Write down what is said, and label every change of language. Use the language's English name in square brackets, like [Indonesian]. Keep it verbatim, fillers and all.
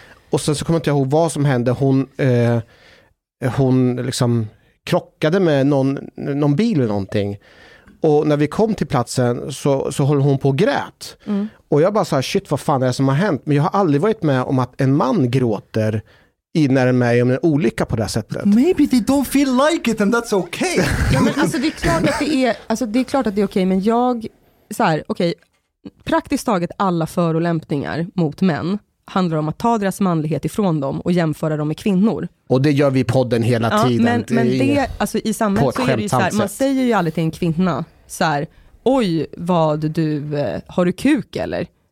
[Swedish] Och sen så kommer jag inte ihåg vad som hände. Hon, eh, hon liksom krockade med någon, någon bil eller någonting. Och när vi kom till platsen så, så höll hon på och grät. Mm. Och jag bara sa, shit vad fan är det som har hänt? Men jag har aldrig varit med om att en man gråter i när de är om en olycka på det här sättet. [English] Maybe they don't feel like it and that's okay. [Swedish] Ja, men alltså det är klart att det är, alltså det är klart att det är okej, okay, men jag så här, okej, okay, praktiskt taget alla förolämpningar mot män handlar om att ta deras manlighet ifrån dem och jämföra dem med kvinnor. Och det gör vi i podden hela ja, tiden. Men, men det, alltså, i samhället så är det ju så här, man säger ju aldrig till en kvinna så här, oj vad du, har du kuk eller?